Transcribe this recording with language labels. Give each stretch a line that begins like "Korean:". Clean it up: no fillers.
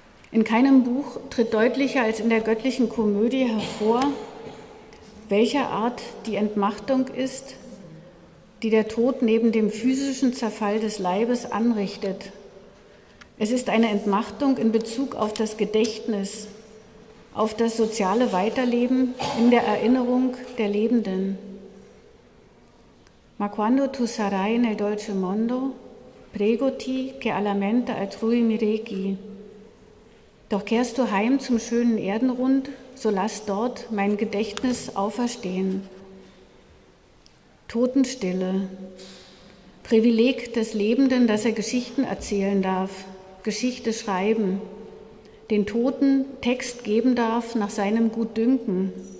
German: In keinem Buch tritt deutlicher als in der göttlichen Komödie hervor, welcher Art die Entmachtung ist, die der Tod neben dem physischen Zerfall des Leibes anrichtet. Es ist eine Entmachtung in Bezug auf das Gedächtnis, auf das soziale Weiterleben in der Erinnerung der Lebenden.
Italian: Ma quando tu sarai nel dolce mondo, pregoti che alla mente altrui mi rechi.
German: Doch kehrst du heim zum schönen Erdenrund, so lass dort mein Gedächtnis auferstehen. Totenstille. Privileg des Lebenden, dass er Geschichten erzählen darf, Geschichte schreiben, den Toten Text geben darf nach seinem Gutdünken.